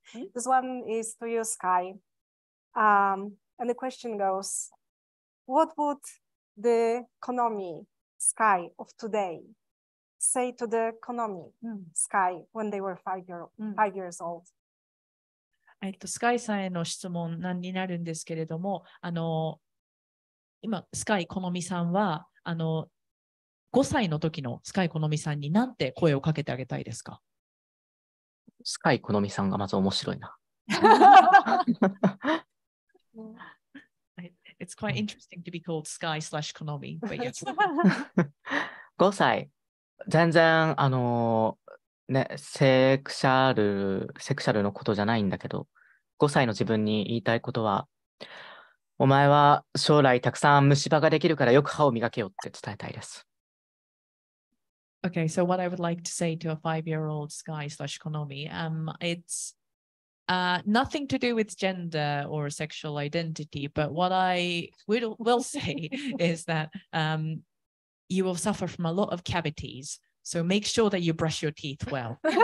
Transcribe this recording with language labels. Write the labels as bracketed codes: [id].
[en] This one is to you, Sky. And the question goes, what would the Konomi Sky of today say to the Konomi Sky when they were five years old? [ja] スカイさんへの質問なんになるんですけれども、今、スカイ・コノミさんは、5歳の時のスカイ・コノミさんに何て声をかけてあげたいですか？スカイ・コノミさんがまず面白いな。 [en] It's quite interesting to be called Sky / Konomi, but yes. [ja] 5歳。全然、ね、セクシャルのことじゃないんだけど、5歳の自分に言いたいことは、お前は将来たくさん虫歯ができるからよく歯を磨けよって伝えたいです。 [en] Okay, so what I would like to say to a five-year-old Sky / Konomi, it's nothing to do with gender or sexual identity, but what I will say is that you will suffer from a lot of cavities, so make sure that you brush your teeth well.